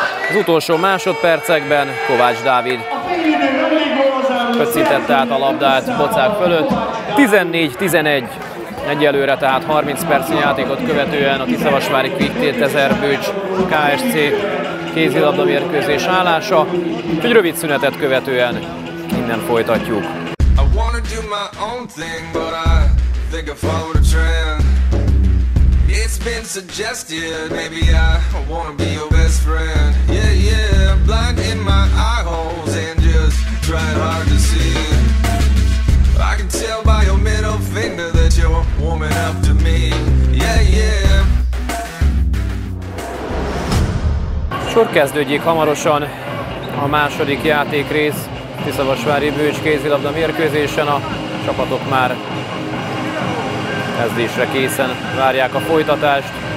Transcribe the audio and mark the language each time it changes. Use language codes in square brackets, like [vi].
[hu] Az utolsó másodpercekben Kovács Dávid köszítette át a labdát Bocák fölött. 14-11. Egyelőre tehát 30 perc játékot követően a tiszavasvári Quick 2000 Bőcs KSC kézilabda mérkőzés állása. Egy rövid szünetet követően innen folytatjuk. [en] Do my own thing, but I think I followed a trend. It's been suggested, maybe I wanna be your best friend. Yeah, yeah, blind in my eye holes and just trying hard to see. I can tell by your middle finger that you're warming up to me. Yeah, yeah. [hu] Sor kezdődjék hamarosan a második játék rész. Tiszavasvári Bőcs kézilabda mérkőzésen a csapatok már kezdésre készen várják a folytatást.